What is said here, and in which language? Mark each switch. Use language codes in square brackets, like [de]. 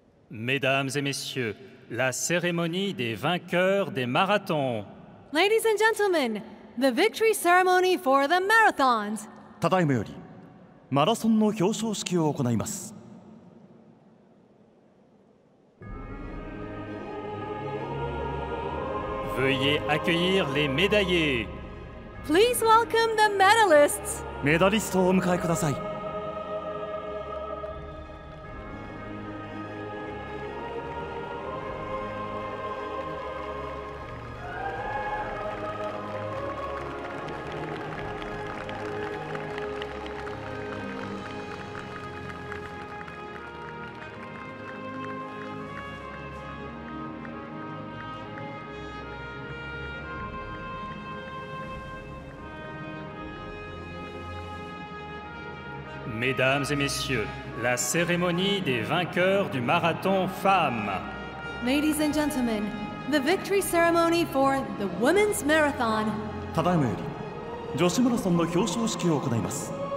[fr] Mesdames et messieurs, la cérémonie des vainqueurs des marathons. [en] Ladies and gentlemen, the victory ceremony for the marathons. [ja] ただいまより、マラソンの表彰式を行います。 [fr] Veuillez accueillir les médaillés. [en] Please welcome the medalists. [ja] メダリストをお迎えください。 [fr] Mesdames et messieurs, la cérémonie des vainqueurs du marathon femmes. [en] Ladies and gentlemen, the victory ceremony for the women's marathon. [ja] ただいまより、女子マラソンの表彰式を行います。